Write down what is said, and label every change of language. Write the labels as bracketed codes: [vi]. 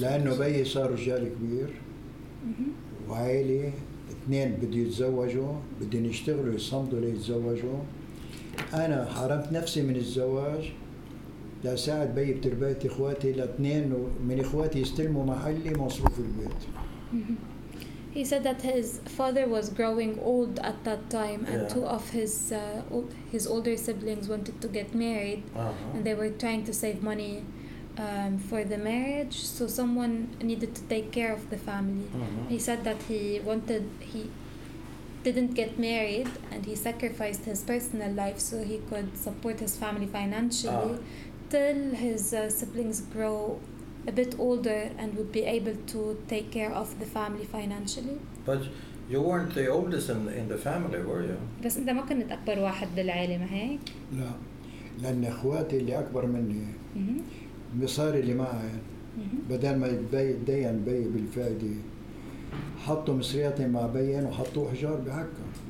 [ar] لأنه بيي صار رجال كبير وعائلة اثنين بدي يتزوجوا بدهم يشتغلوا يصمدوا ليتزوجوا أنا حرمت نفسي من الزواج لأساعد بي بتربية إخواتي لاثنين من إخواتي يستلموا محلي مصروف البيت. [en] He said that his father was growing old at that time yeah. and two of his older siblings wanted to get married uh-huh. and they were trying to save money for the marriage so someone needed to take care of the family. Uh-huh. He said that he didn't get married and he sacrificed his personal life so he could support his family financially. Till his siblings grow a bit older and would be able to take care of the family financially. But you weren't the oldest in the family, were you? [ar] بس أنت ما كنت أكبر واحد بالعائلة ما هيك؟ لا لأن إخواتي اللي أكبر مني مصاري اللي معي بدل ما يدين بي بالفائدة حطوا مصرياتي مع بيين وحطوا حجار بحكة.